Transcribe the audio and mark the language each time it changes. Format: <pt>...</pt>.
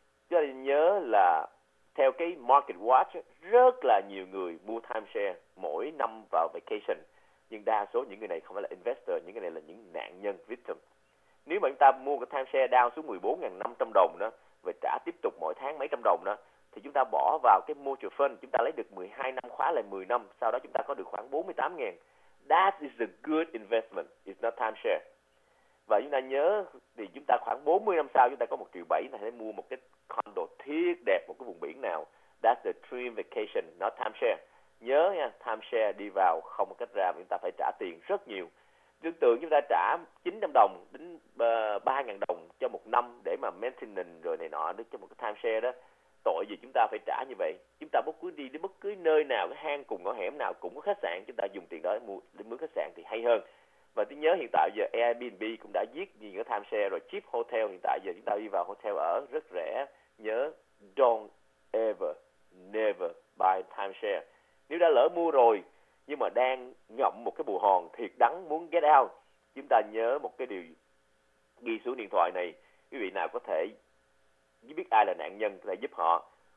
<vi>Chúng ta nhớ là theo cái Market Watch, rất là nhiều người mua timeshare mỗi năm vào vacation, nhưng đa số những người này không phải là investor, những người này là những nạn nhân victim. Nếu mà chúng ta mua cái timeshare down xuống 14.500 đồng đó, và trả tiếp tục mỗi tháng mấy trăm đồng đó, thì chúng ta bỏ vào cái mutual fund, chúng ta lấy được 12 năm, khóa lại 10 năm, sau đó chúng ta có được khoảng 48.000.</vi> <en>That is a good investment, it's not timeshare.</en> <vi>Và chúng ta nhớ thì chúng ta khoảng 40 năm sau chúng ta có 1.7 triệu, chúng ta sẽ mua một cái condo thiệt đẹp, một cái vùng biển nào.</vi> <en>That's a dream vacation, not timeshare.</en> <vi>Nhớ nha, timeshare đi vào không có cách ra, chúng ta phải trả tiền rất nhiều. Tương tự chúng ta trả 900 đồng đến 3.000 đồng cho một năm để mà maintenance rồi này nọ cho một cái timeshare đó. Tội gì chúng ta phải trả như vậy. Chúng ta bất cứ đi đến bất cứ nơi nào, cái hang cùng ngõ hẻm nào cũng có khách sạn, chúng ta dùng tiền đó để mướn khách sạn thì hay hơn. Và tôi nhớ hiện tại giờ Airbnb cũng đã giết những cái timeshare rồi.</vi> <en>Cheap hotel</en> <vi>hiện tại giờ chúng ta đi vào hotel ở rất rẻ. Nhớ,</vi> <en>don't ever, never buy timeshare.</en> <vi>Nếu đã lỡ mua rồi, nhưng mà đang ngậm một cái bù hòn thiệt đắng muốn</vi> <en>get out,</en> <vi>chúng ta nhớ một cái điều ghi xuống điện thoại này. Quý vị nào có thể biết ai là nạn nhân, có thể giúp họ.</vi>